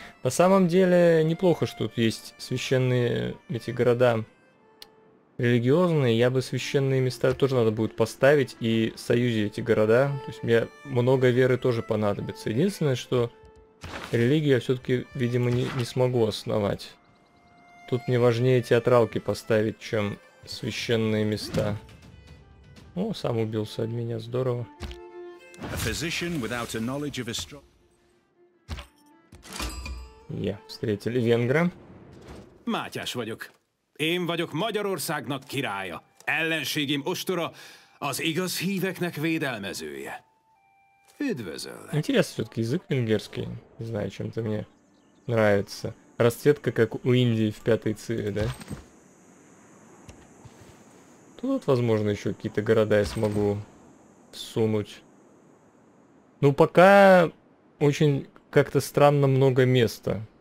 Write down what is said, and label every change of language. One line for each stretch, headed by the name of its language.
Russian: На самом деле, неплохо, что тут есть священные эти города религиозные. Я бы священные места тоже надо будет поставить и в союзе эти города. То есть мне много веры тоже понадобится. Единственное, что религию я все-таки, видимо, не смогу основать. Тут мне важнее театралки поставить, чем священные места. О, сам убился от меня, здорово.
English: A physician without a knowledge of astrology.
Russian: Yeah, встретили венгра.
Hungarian: Mátyás vagyok. Én vagyok Magyarországnak királya, ellenségim ostora, az igaz híveknek védelmezője. Üdvözöllek.
Russian: Интересно, все-таки язык венгерский. Не знаю, чем-то мне нравится. Расцветка, как у Индии в пятой цифре, да? Тут, возможно, еще какие-то города я смогу всунуть. Ну, пока очень как-то странно много места.